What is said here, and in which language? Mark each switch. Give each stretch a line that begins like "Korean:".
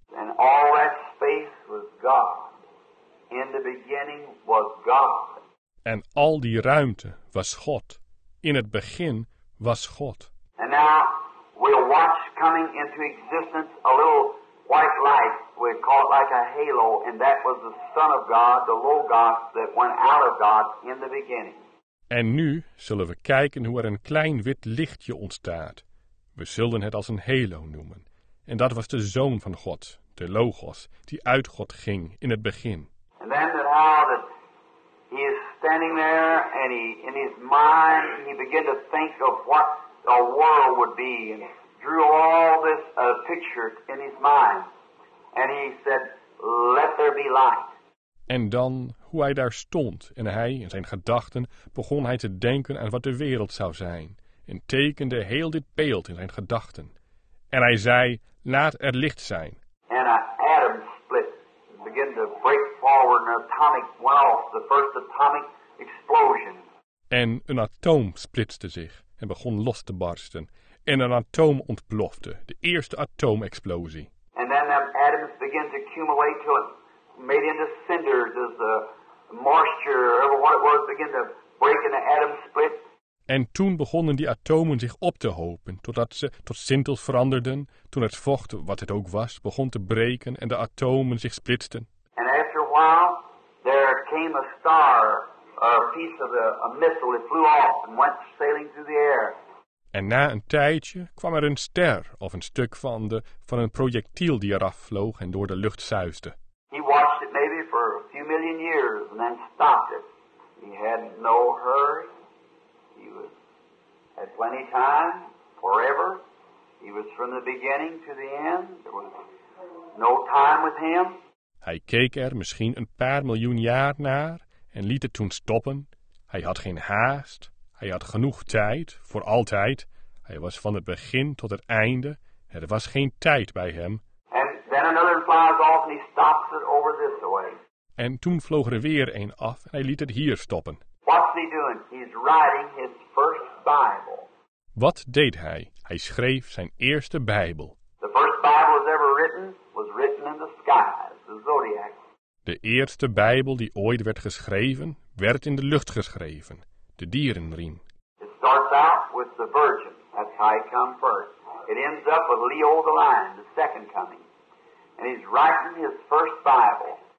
English: And all that space was God. In the beginning was God.
Dutch: En al die ruimte was God. In het begin was God.
English: And now we'll watch coming into existence, a little white light, we call it like a halo, and that was the Son of God, the Logos, that went out of God in the beginning.
Dutch: En nu zullen we kijken hoe er een klein wit lichtje ontstaat. We zullen het als een halo noemen. En dat was de Zoon van God, de Logos, die uit God ging in het begin.
English: And then that how that he is standing there and he, in his mind, he began to think of what the world would be and drew all this picture in his mind. And he said, let there be light.
Dutch: En dan hoe hij daar stond en hij, in zijn gedachten, begon hij te denken aan wat de wereld zou zijn en tekende heel dit beeld in zijn gedachten. En hij zei, laat er licht zijn.
English: En een atom split begin to break forward, an atomic went off, the first atomic explosion.
Dutch: En een atoom splitste zich en begon los te barsten. En een atoom ontplofte, de eerste atoomexplosie.
English: And then them atoms begin to accumulate till it made into cinders as the moisture or whatever what it was begin to break and the atom split.
Dutch: En toen begonnen die atomen zich op te hopen, totdat ze tot sintels veranderden, toen het vocht, wat het ook was, begon te breken en de atomen zich splitsten.
English: And after a while, there came a star, a piece of a missile that flew off and went sailing through the air.
Dutch: En na een tijdje kwam er een ster, of een stuk van een projectiel die eraf vloog en door de lucht zuiste.
English: He watched it maybe for a few million years and then stopped it. He had no hurry. At plenty time, forever, he was from the beginning to the end, there was no time with him.
Dutch: Hij keek er misschien een paar miljoen jaar naar en liet het toen stoppen. Hij had geen haast, hij had genoeg tijd, voor altijd. Hij was van het begin tot het einde, er was geen tijd bij hem.
English: And then another flies off and he stops it over this way.
Dutch: En toen vloog er weer een af en hij liet het hier stoppen.
English: What's he doing? He's writing his first Bible.
Dutch: Wat deed hij? Hij schreef zijn eerste Bijbel.
English: The first Bible was ever written was written in the skies, the zodiac.
Dutch: De eerste Bijbel die ooit werd geschreven, werd in de lucht geschreven, de dierenriem.
English: It starts out with the Virgin. That's how he come first. It ends up with Leo the Lion, the second coming. And he's writing his first Bible.